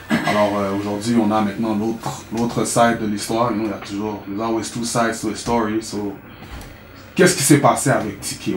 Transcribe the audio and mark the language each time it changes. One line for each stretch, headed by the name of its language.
French: Alors aujourd'hui, on a maintenant l'autre side de l'histoire. Il y a toujours,
English: there's always two sides to a story.
French: So, qu'est-ce qui s'est passé avec TK?